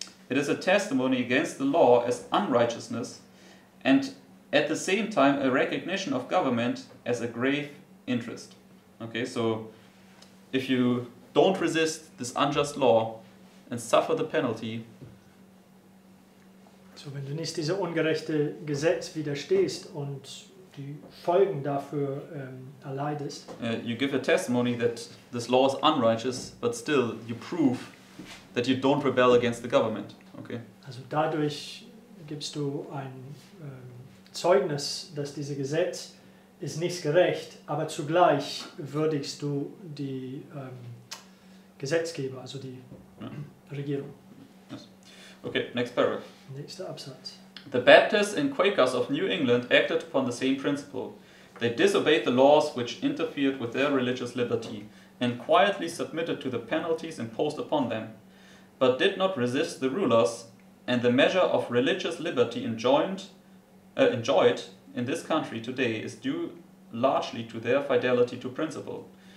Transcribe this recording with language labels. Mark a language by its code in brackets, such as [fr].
[en] It is a testimony against the law as unrighteousness, and at the same time a recognition of government as a grave interest. Okay, so if you don't resist this unjust law and suffer the penalty. [de] So wenn du nicht diesem ungerechten Gesetz widerstehst und die Folgen dafür erleidest. [en] You give a testimony that this law is unrighteous, but still you prove that you don't rebel against the government. Okay. [de] Also dadurch gibst du ein Zeugnis, dass dieses Gesetz ist nicht gerecht, aber zugleich würdigst du die Gesetzgeber, also die Regierung. [en] Yes. Okay, next paragraph. [de] Nächster Absatz. [en] The Baptists and Quakers of New England acted upon the same principle. They disobeyed the laws which interfered with their religious liberty and quietly submitted to the penalties imposed upon them, but did not resist the rulers, and the measure of religious liberty enjoyed in this country today is due largely to their fidelity to principle.